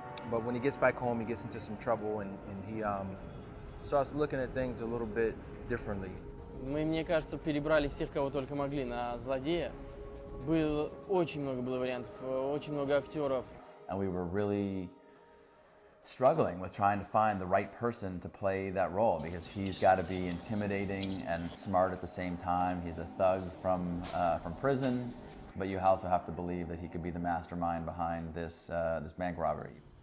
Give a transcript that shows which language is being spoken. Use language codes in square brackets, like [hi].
[en] But when he gets back home, he gets into some trouble, and he starts looking at things a little bit differently. [ru] Мы, мне кажется, перебрали всех, кого только могли на злодея. Было очень много было вариантов, очень много актеров. [en] And we were really struggling with trying to find the right person to play that role, because he's got to be intimidating and smart at the same time. He's a thug from prison, but you also have to believe that he could be the mastermind behind this bank robbery.